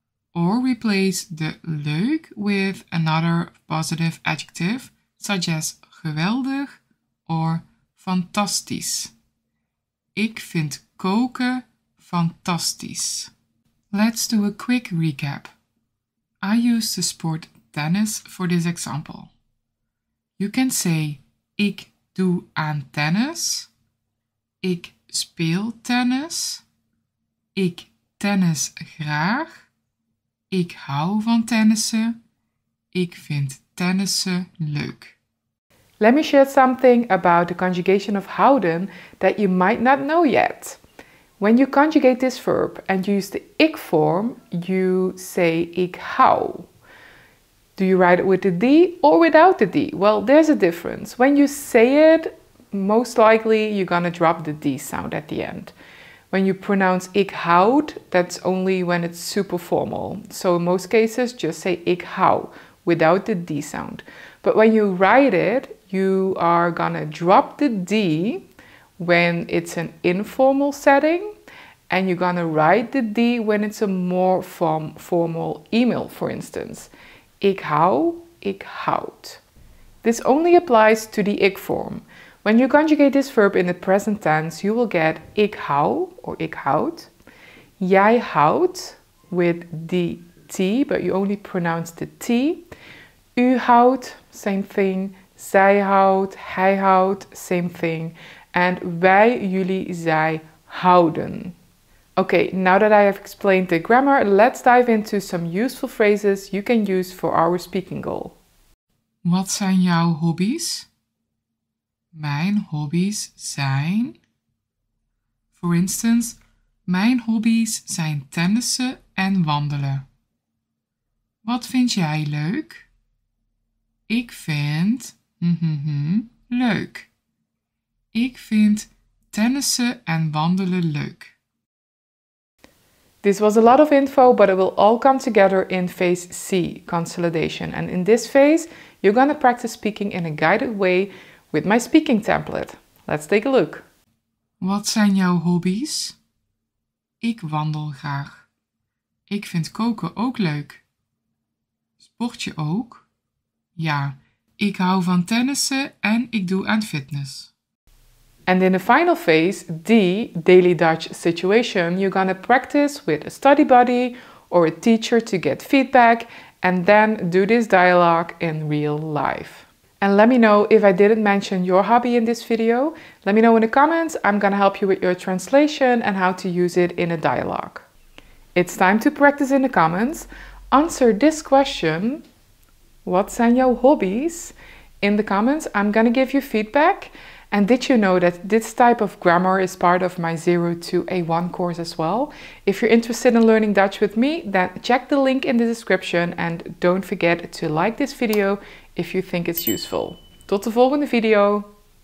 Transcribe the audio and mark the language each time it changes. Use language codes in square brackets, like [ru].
[en] Or replace the leuk with another positive adjective, such as geweldig or fantastisch. [nl] Ik vind koken fantastisch. [en] Let's do a quick recap. I use the sport tennis for this example. You can say [nl] ik doe aan tennis, ik speel tennis, ik tennis graag, ik hou van tennissen, ik vind tennissen leuk. [en] Let me share something about the conjugation of houden that you might not know yet. When you conjugate this verb and use the ik form, you say [nl] ik hou. [en] Do you write it with the D or without the D? Well, there's a difference. When you say it, most likely you're gonna drop the D sound at the end. When you pronounce [nl] ik houd, [en] that's only when it's super formal. So in most cases, just say [nl] ik hou [en] without the D sound. But when you write it, you are gonna drop the D when it's an informal setting, and you're gonna write the D when it's a more formal email, for instance. [nl] Ik hou, ik houd. [en] This only applies to the ik form. When you conjugate this verb in the present tense, you will get [nl] ik hou [en] or [nl] ik houd. Jij houdt [en] with the T, but you only pronounce the T. [nl] U houdt, [en] same thing. [nl] Zij houdt, hij houdt, [en] same thing. And [nl] wij, jullie, zij houden. [en] Okay, now that I have explained the grammar, let's dive into some useful phrases you can use for our speaking goal. [nl] Wat zijn jouw hobby's? Mijn hobby's zijn... [en] For instance, [nl] mijn hobby's zijn tennissen en wandelen. Wat vind jij leuk? Ik vind... leuk. Ik vind tennissen en wandelen leuk. [en] This was a lot of info, but it will all come together in phase C, consolidation. And in this phase, you're gonna practice speaking in a guided way with my speaking template. Let's take a look. [nl] Wat zijn jouw hobby's? Ik wandel graag. Ik vind koken ook leuk. Sport je ook? Ja, ik hou van tennissen en ik doe aan fitness. [en] And in the final phase, D, daily Dutch situation, you're gonna practice with a study buddy or a teacher to get feedback and then do this dialogue in real life. And let me know if I didn't mention your hobby in this video. Let me know in the comments. I'm gonna help you with your translation and how to use it in a dialogue. It's time to practice in the comments. Answer this question, what [nl] zijn jouw hobby's? [en] In the comments, I'm gonna give you feedback. And did you know that this type of grammar is part of my 0 to A1 course as well? If you're interested in learning Dutch with me, then check the link in the description and don't forget to like this video if you think it's useful. [nl] Tot de volgende video!